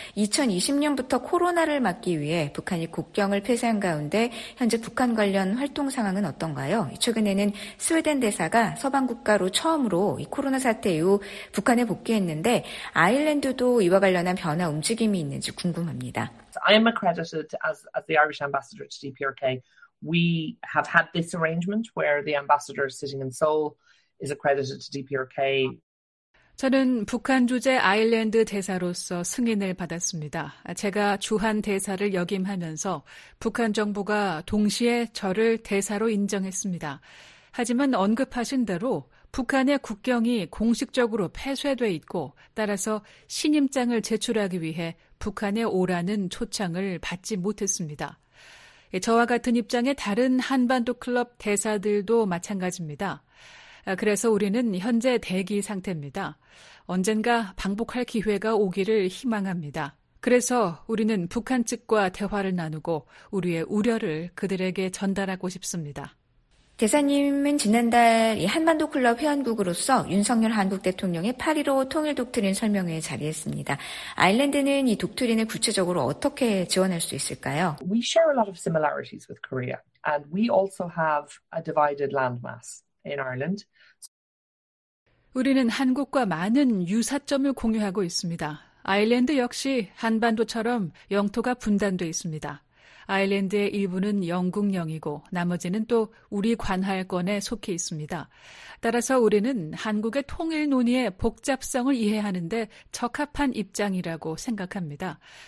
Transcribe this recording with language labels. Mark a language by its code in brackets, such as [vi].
[ko] 2020년부터 코로나를 막기 위해 북한이 국경을 폐쇄한 가운데 현재 북한 관련 활동 상황은 어떤가요? 최근에는 스웨덴 대사가 서방 국가로 처음으로 이 코로나 사태 이후 북한에 복귀했는데 아일랜드도 이와 관련한 변화 움직임이 있는지 궁금합니다. [en] I am accredited as the Irish ambassador to DPRK. We have had this arrangement where the ambassador is sitting in Seoul. Is accredited to DPRK. [ko] 저는 북한 주재 아일랜드 대사로서 승인을 받았습니다. 제가 주한 대사를 역임하면서 북한 정부가 동시에 저를 대사로 인정했습니다. 하지만 언급하신 대로 북한의 국경이 공식적으로 폐쇄돼 있고 따라서 신임장을 제출하기 위해 북한에 오라는 초청을 받지 못했습니다. 저와 같은 입장의 다른 한반도 클럽 대사들도 마찬가지입니다. 그래서 우리는 현재 대기 상태입니다. 언젠가 방북할 기회가 오기를 희망합니다. 그래서 우리는 북한 측과 대화를 나누고 우리의 우려를 그들에게 전달하고 싶습니다. 대사님은 지난달 한반도 클럽 회원국으로서 윤석열 한국 대통령의 8.15 통일 독트린 설명회에 자리했습니다. 아일랜드는 이 독트린을 구체적으로 어떻게 지원할 수 있을까요? [en] We share a lot of similarities with Korea and we also have a divided landmass. In Ireland. [ko] 우리는 한국과 많은 유사점을 공유하고 있습니다. 아일랜드 역시 한반도처럼 영토가 분단돼 있습니다. 아일랜드의 일부는 영국령이고 나머지는 또 우리 관할권에 속해 있습니다. 따라서 우리는 한국의 통일 논의의 복잡성을 이해하는 데 적합한 입장이라고 생각합니다.